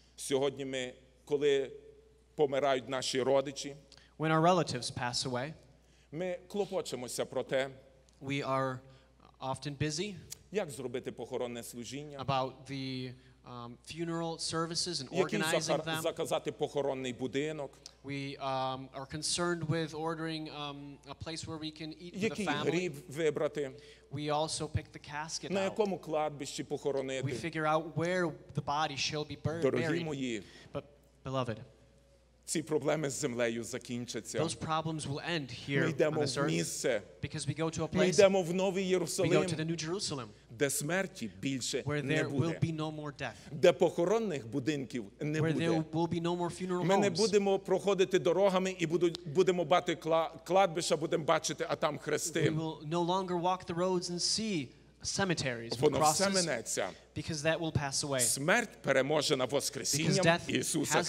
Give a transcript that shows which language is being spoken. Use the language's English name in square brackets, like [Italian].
[Ukrainian] Сьогодні ми, коли помирають наші родичі. [English] When our relatives pass away. [Ukrainian] Ми клопочемося про те. [English] We are often busy. [Ukrainian] Як зробити похоронне служіння? [English] About the funeral services and organizing them. [Ukrainian] Заказати похоронний будинок. [English] We are concerned with ordering a place where we can eat for the family. [Ukrainian] Який гріб вибрати? [English] We also pick the casket out. [Ukrainian] На якому кладбищі похоронити? [English] We figure out where the body shall be buried. [Ukrainian] Дорогі мої, [English] but beloved, [Ukrainian] ці проблеми з землею закінчаться. [English] Those problems will end here. [Ukrainian] Ми йдемо в місце. [English] Because we go to a place. [Ukrainian] Ми йдемо в новий Єрусалим. [English] We go to the new Jerusalem. [Ukrainian] Де смерті більше не буде. [English] Where there will be no more death. [Ukrainian] Де похоронних будинків не буде. [English] Where there will be no more funeral homes. [Ukrainian] Ми не будемо проходити дорогами і будемо бати кладбища, будемо бачити, а там хрести. [English] We will no longer walk the roads and see cemeteries. [Ukrainian] Воно все минеться. [English] Because that will pass away. [Ukrainian] Смерть переможена воскресінням Ісуса Христа.